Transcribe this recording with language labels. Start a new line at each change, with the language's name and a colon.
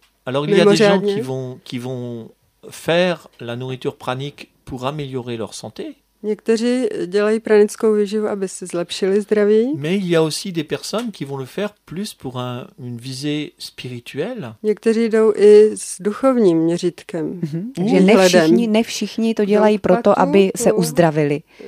French: Alors il y a des gens qui vont faire la nourriture pranique pour améliorer leur santé.
Czech: Někteří dělají pranickou výživu, aby se zlepšili zdraví.
French: Mais il y a aussi des personnes qui vont le faire plus pour une visée spirituelle.
Czech: Někteří jdou i s duchovním měřítkem. Takže ne všichni to dělají proto, aby se uzdravili.